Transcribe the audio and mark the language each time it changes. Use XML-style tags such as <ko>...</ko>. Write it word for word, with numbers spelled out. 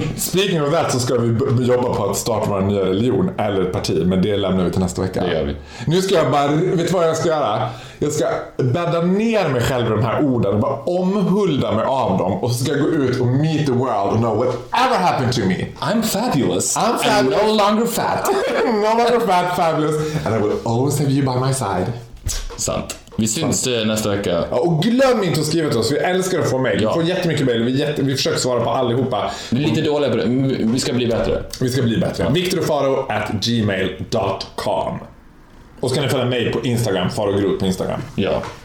<en>Speaking of that,</en> <sv>så ska vi b- jobba på att starta vår nya religion eller parti, men det lämnar vi till nästa vecka. Det gör vi. Nu ska jag bara, vet du vad jag ska göra? Jag ska bädda ner mig själv i de här orden och bara omhulda mig av dem, och så ska jag gå ut och</sv> <en>meet the world and know whatever happened to me. I'm fabulous. I'm fabulous. I'm no longer fat. No longer fat, fabulous. And I will always have you by my side.</en> <sv>Sant. Vi syns nästa vecka. Ja, och glöm inte att skriva till oss. Vi älskar att få mejl. Vi ja. får jättemycket mejl. Vi, jätte... vi försöker svara på allihopa. Vi är lite dåliga på det. Vi ska bli bättre. Vi ska bli bättre. victor och faro at gmail dot com. Och så kan ni följa mig på Instagram. Farogrot på Instagram. Ja.</sv>